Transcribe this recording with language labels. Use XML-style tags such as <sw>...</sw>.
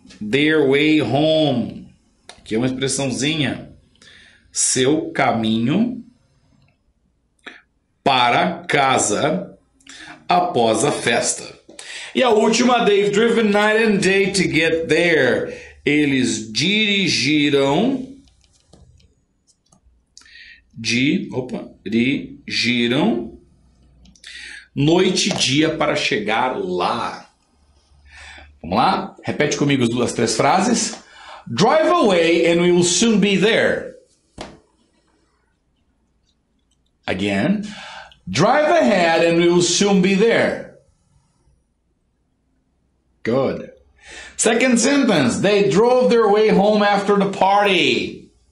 <en>Their way home.</en> <pt>Aqui é uma expressãozinha. Seu caminho para casa após a festa. E a última,</pt> <en>they've driven night and day to get there.</en> <pt>Eles dirigiram dirigiram noite e dia para chegar lá. Vamos lá? Repete comigo as duas, três frases.</pt> <en>Drive away and we will soon be there. Again. Drive ahead and we will soon be there. Good. Second sentence. They drove their way home after the party.</en>